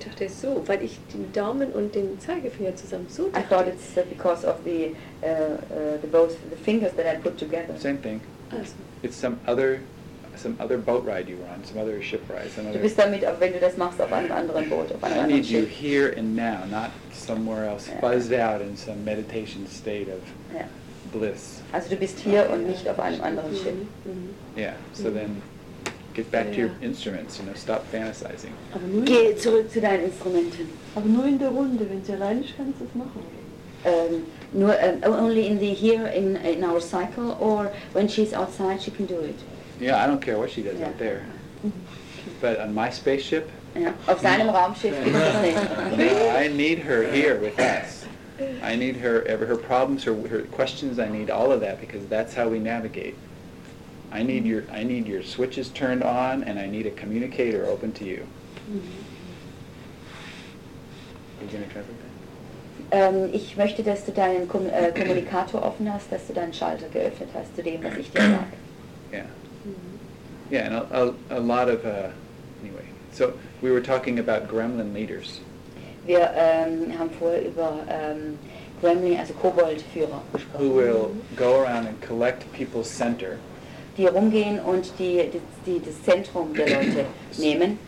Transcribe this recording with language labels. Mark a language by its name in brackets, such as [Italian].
[German] Ich dachte so, weil ich den Daumen und den Zeigefinger zusammen so. [English] I thought it's because of the both the fingers that I put together. Same thing. [German] Also. [English] It's some other some other boat ride you were on, some other ship ride. Some other [German] du bist damit, wenn du das machst, auf einem anderen Boot, auf einem anderen Schiff. [English] I need you here and now, not somewhere else, yeah. Fuzzed out in some meditation state of yeah. bliss. [German] Also du bist hier und nicht auf einem anderen Schiff. Mm-hmm. Yeah, so mm-hmm. [English] then get back yeah. to your instruments, you know, stop fantasizing. [German] Aber nur geh zurück zu deinen Instrumenten. Aber nur in der Runde, wenn du alleine bist, kannst du das machen. [English] Only in the here in our cycle, or when she's outside, she can do it. Yeah, I don't care what she does yeah. out there. But on my spaceship? [German] Yeah. Auf seinem Raumschiff. [English] No, I need her here with us. I need her problems, her questions, I need all of that, because that's how we navigate. I need mm-hmm. I need your switches turned on, and I need a communicator open to you. Mm-hmm. Are you going to translate that? [German] Ich möchte, dass du deinen Kommunikator offen hast, dass du deinen Schalter geöffnet hast zu dem, was ich dir sage. [English] Yeah. Mm-hmm. Yeah, and a lot of, anyway. So, we were talking about gremlin leaders. [German] Wir haben vorher über Gremlin, also Koboldführer, gesprochen. [English] Who will go around and collect people's center. [German] Die rumgehen und die das Zentrum der Leute nehmen.